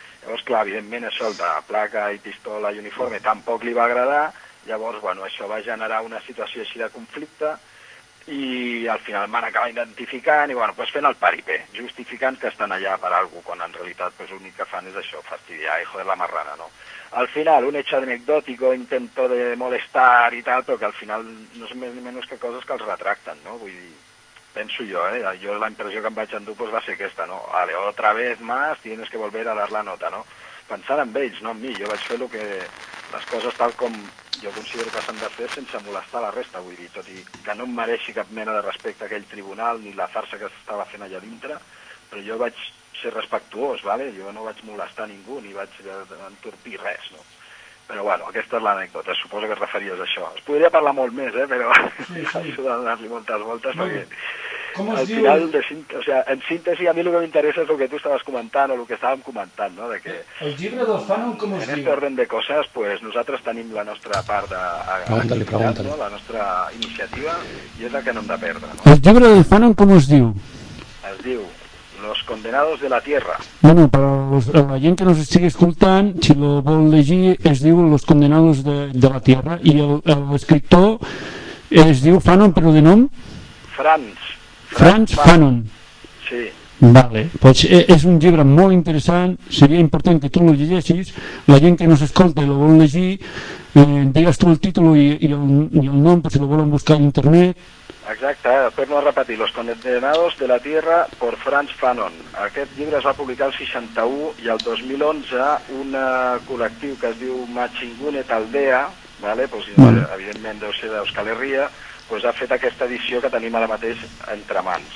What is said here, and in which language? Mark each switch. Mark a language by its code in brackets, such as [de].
[ca] Llavors, clar, evidentment això de placa i pistola i uniforme tampoc li va agradar, llavors, bueno, això va generar una situació així de conflicte, i al final m'han acabat identificant i bueno, pues fent el paripé, justificant que estan allà per alguna cosa, quan en realitat pues, l'únic que fan és això, fastidiar i [es] joder la marrana, [ca] no? Al final, [es] un hecho anecdótico, intento de molestar [ca] i tal, però que al final no són més ni menys que coses que els retracten, no? Vull dir, penso jo, jo la impressió que em vaig endur pues, va ser aquesta, no? [es] Vale, otra vez más, tienes que volver a dar la nota, no? [ca] Pensant en ells, no en mi, jo vaig fer lo que les coses tal com jo considero que s'han de fer sense molestar la resta, vull dir, tot i que no em mereixi cap mena de respecte a aquell tribunal ni la farsa que s'estava fent allà dintre, però jo vaig ser respectuós, vale? Jo no vaig molestar ningú ni vaig entorpir res, no? Però bueno, aquesta és l'anècdota, suposo que et referies a això. Es podria parlar molt més, però això de donar-li moltes voltes, perquè al final, en síntesi, a mi el que m'interessa és el que tu estaves comentant o el que estàvem comentant, no? De que el llibre del fànol, com es diu? En aquest ordre de coses, pues, nosaltres tenim la nostra part de pregunta-li. La nostra iniciativa, i és la que no hem de perdre. No? El llibre del fànol, com es diu? Es diu Los condenados de la tierra. [es] Bueno, para la gente que nos sigue escuchando, si lo [ca] vol llegir, es diu [es] Los condenados de la tierra. Y el escritor [ca] es diu [es] Fanon, pero [ca] de nom? [es] Franz Fanon. Sí. [ca] Vale, pues es un llibre molt interessant, seria important que tu lo llegeixis, la gent que no s'escolta i lo vol llegir, digues tu el títol i el nom, per si lo volen buscar a internet. Exacte, per no repetir, Los condenados de la tierra por Franz Fanon. Aquest llibre es va publicar el 61 i el 2011 un col·lectiu que es diu Machingune Taldea, vale? Pues, vale. Evidentment deu ser d'Euskal Herria, pues ha fet aquesta edició que tenim ara mateix entre mans.